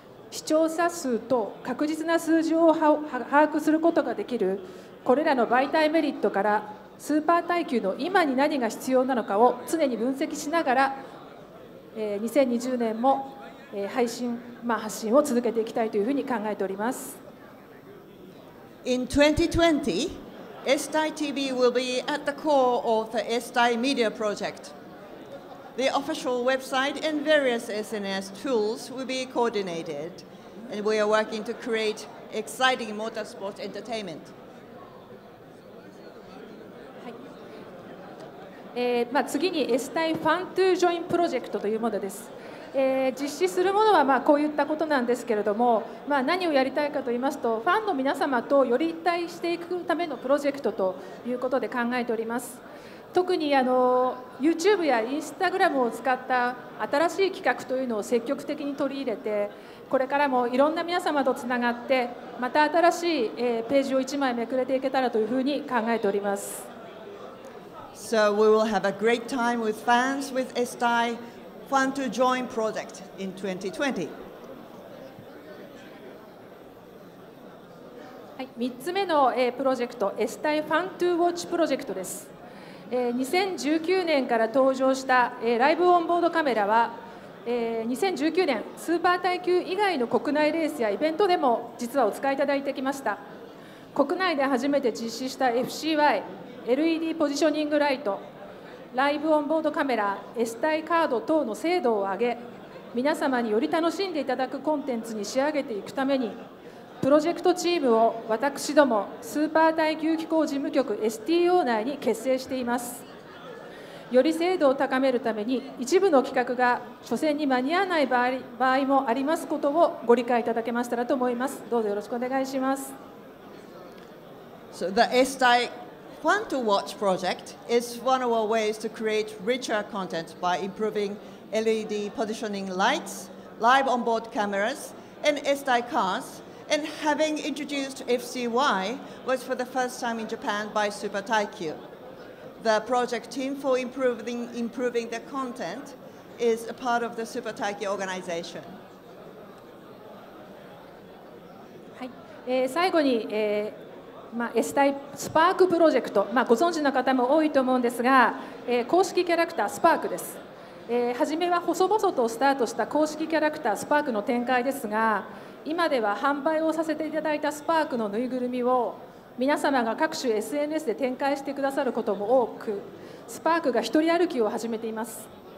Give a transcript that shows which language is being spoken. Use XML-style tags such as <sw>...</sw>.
<ja>視聴者数と確実な数字を把握することができるこれらの媒体メリットから、スーパー耐久の今に何が必要なのかを常に分析しながら、2020年も配信、まあ、発信を続けていきたいというふうに考えております。</ja> <en>In 2020 SDI TV will be at the core of the SDI Media Project. The official website and various SNS tools will be coordinated, and we are working to create exciting motorsport entertainment.</en> <ja>まあ、次に SDI Fun to Join プロジェクトというものです。実施するものはまあこういったことなんですけれども、まあ、何をやりたいかといいますと、ファンの皆様とより一体していくためのプロジェクトということで考えております。特にYouTube や Instagram を使った新しい企画というのを積極的に取り入れて、これからもいろんな皆様とつながって、また新しい、ページを一枚めくれていけたらというふうに考えております。</ja> <en>So we will have a great time with fans with SDIFun to join project in 2020.</en> <ja>はい、3つ目の、プロジェクト、SDI Fun to Watch プロジェクトです。 2019年から登場した、ライブオンボードカメラは、2019年スーパー耐久以外の国内レースやイベントでも実はお使いいただいてきました。国内で初めて実施した FCY LED ポジショニングライト、ライブオンボードカメラ、SDIカード等の精度を上げ、皆様により楽しんでいただくコンテンツに仕上げていくために、プロジェクトチームを私ども、スーパー耐久機構事務局 STO 内に結成しています。より精度を高めるために、一部の企画が初戦に間に合わない場合もありますことをご理解いただけましたらと思います。どうぞよろしくお願いします。</ja> <en>So the SDIFun to Watch project is one of our ways to create richer content by improving LED positioning lights, live onboard cameras, and SDI cars, and having introduced FCY was for the first time in Japan by Super Taikyu. The project team for improving the content is a part of the Super Taikyu organization.</en> <ja>最後に、まあ、SDI スパークプロジェクト、まあ、ご存知の方も多いと思うんですが、公式キャラクタースパークです。初めは細々とスタートした公式キャラクタースパークの展開ですが、今では販売をさせていただいたスパークのぬいぐるみを皆様が各種 SNS で展開してくださることも多く、スパークが一人歩きを始めています。</ja>